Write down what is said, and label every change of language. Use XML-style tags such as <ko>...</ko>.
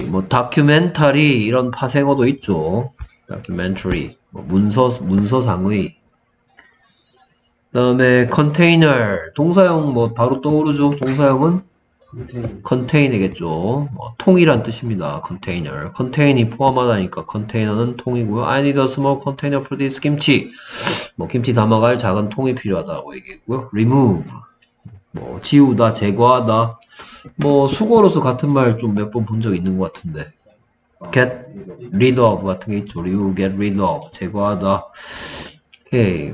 <ko>뭐 다큐멘터리 이런 파생어도 있죠. 다큐멘터리. 뭐 문서상의. 그다음에 컨테이너. 동사형 뭐 바로 떠오르죠. 동사형은 컨테이너겠죠. 뭐 통이란 뜻입니다. 컨테이너. 컨테이너 포함하다니까 컨테이너는 통이고요.</ko> <en>I need a small container for this 김치.</en> <ko>뭐 김치 담아갈 작은 통이 필요하다고 얘기했고요. Remove. 뭐 지우다, 제거하다. 뭐 수거로서 같은 말좀몇번본적 있는 것 같은데. Get rid of 같은 게 있죠. Remove, get rid of, 제거하다. 오케이.</ko>